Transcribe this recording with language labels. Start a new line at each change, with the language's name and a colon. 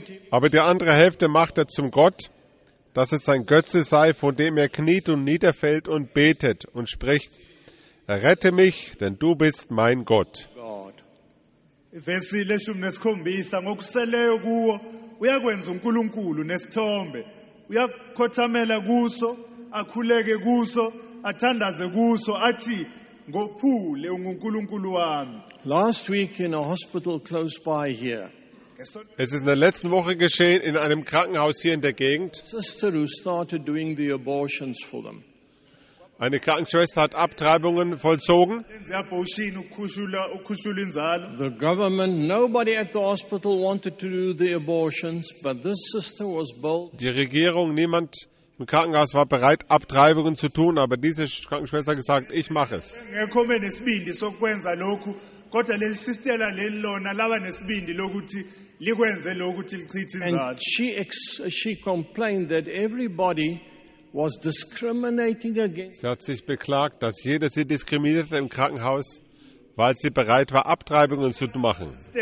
German: Aber die andere Hälfte macht er zum Gott, dass es sein Götze sei, vor dem er kniet und niederfällt und betet und spricht: Rette mich, denn du bist mein Gott.
English: Last week in a hospital close by here.
German: Es ist in der letzten Woche geschehen in einem Krankenhaus hier in der Gegend.
English: Sister who started doing the abortions for them.
German: Eine Krankenschwester hat Abtreibungen vollzogen.
English: The government, nobody at the hospital wanted to do the abortions, but this sister was bold.
German: Die Regierung, niemand im Krankenhaus war bereit, Abtreibungen zu tun, aber diese Krankenschwester hat gesagt, ich mache es.
English: And she complained that everybody was discriminating against.
German: Sie hat sich beklagt, dass jeder sie diskriminierte im Krankenhaus, weil sie bereit war, Abtreibungen zu machen.